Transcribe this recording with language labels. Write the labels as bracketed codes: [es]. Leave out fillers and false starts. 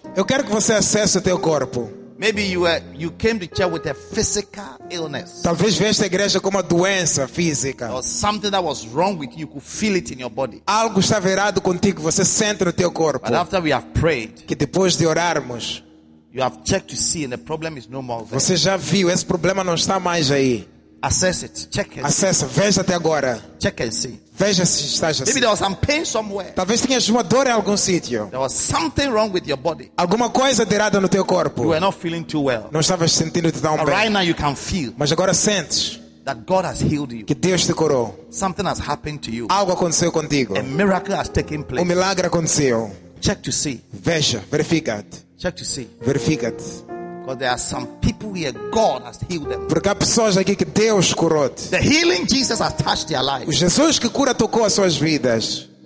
[pt] Eu quero que você acesse o teu corpo. [en] Maybe you came to church with a physical illness. [pt] Talvez veste a igreja com uma doença física. [en] Or something that was wrong with you, you could feel it in your body. [pt] Algo estava errado contigo, você sente no teu corpo. [en] But after we have prayed, [pt] que depois de orarmos, [en] you have checked to see and the problem is no more there. [pt] Você já viu, esse problema não está mais aí. [en] Assess it, check it. [pt] Acessa, veja até agora. [en] Check and see. [pt] Veja se está assim. [en] Maybe there was some pain somewhere. [pt] Talvez tenhas uma dor em algum sítio. [en] There was something wrong with your body. [pt] Alguma coisa de errada no teu corpo. [en] You were not feeling too well. [pt] Não estavas sentindo-te tão bem. [en] Right now you can feel. [pt] Mas agora sentes. [en] That God has healed you. [pt] Que Deus te curou. [en] Something has happened to you. [pt] Algo aconteceu contigo. [en] A miracle has taken place. [pt] Um milagre aconteceu. [en] Check to see. [pt] Veja, verifica-te. [en] Check to see. [pt] Verifica-te. [en] Because there are some people here, God has healed them. [pt] Porque há pessoas aqui que Deus curou-te. [en] The healing Jesus has touched their lives. [pt] O Jesus que cura tocou as suas vidas.